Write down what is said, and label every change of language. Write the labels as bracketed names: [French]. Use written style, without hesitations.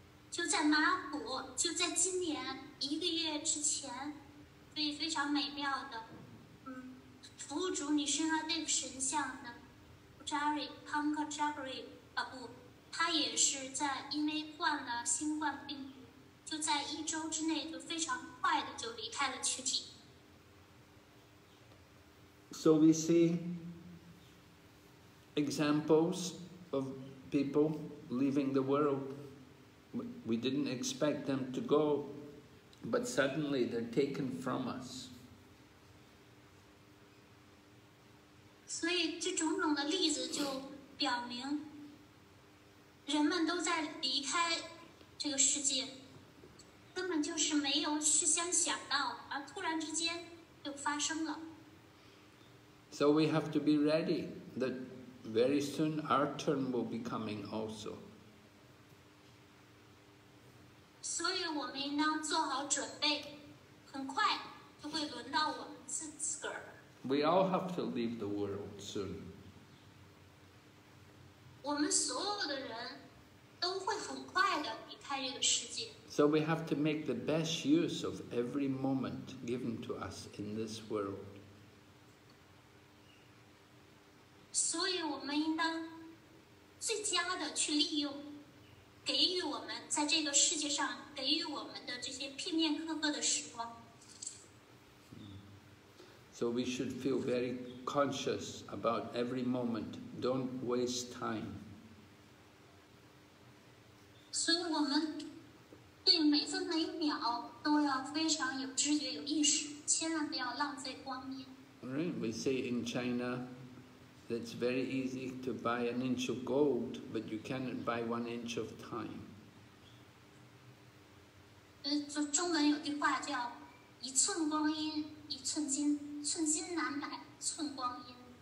[Chinese] 就在马普，就在今年一个月之前，被非常美妙的，服务主女神阿黛神像的 ，Jari Pankajagri 啊不，他也是在因为患了新冠病毒，就在一周之内就非常快的就离开了躯体。 [English] So we see examples of people leaving the world. We didn't expect them to go, but suddenly they're taken from us. So, these [Chinese] 种种的例子就表明，人们都在离开这个世界，根本就是没有事先想到，而突然之间就发生了。 [English] So we have to be ready that very soon our turn will be coming also. [Chinese] 所以我们应当做好准备，很快就会轮到我们自个儿。 [English] We all have to leave the world soon. [Chinese] 我们所有的人都会很快的离开这个世界。 [English] So we have to make the best use of every moment given to us in this world. [Chinese] 所以我们应当最佳的去利用。给予我们在这个世界上给予我们的这些片面刻刻的时光。 [English] So we should feel very conscious about every moment. Don't waste time. [Chinese] 所以我们对每分每秒都要非常有知觉、有意识，千万不要浪费光阴。 [English] Right, we say in China. It's very easy to buy an inch of gold, but you cannot buy one inch of time. [Chinese] 中文有句话叫一寸光阴一寸金，寸金难买寸光阴。